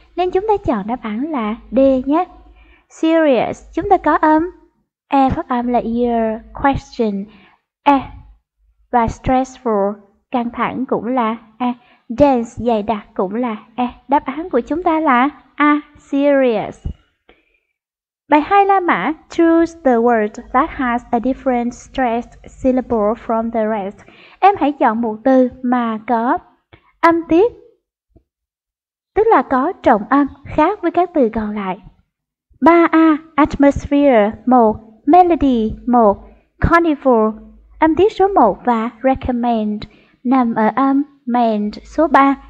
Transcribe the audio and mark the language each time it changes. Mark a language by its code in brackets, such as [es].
[vi] Nên chúng ta chọn đáp án là D nhé. Serious, chúng ta có âm e phát âm là ear, question e. Và stressful, căng thẳng cũng là e. Dense, dày đặc cũng là e. Đáp án của chúng ta là A, serious. Bài 2 la mã, [en] choose the word that has a different stressed syllable from the rest. [vi] Em hãy chọn một từ mà có âm tiết, tức là có trọng âm khác với các từ còn lại. 3A, atmosphere, 1, melody, 1, carnival, âm tiết số 1 và recommend, nằm ở âm mend số 3.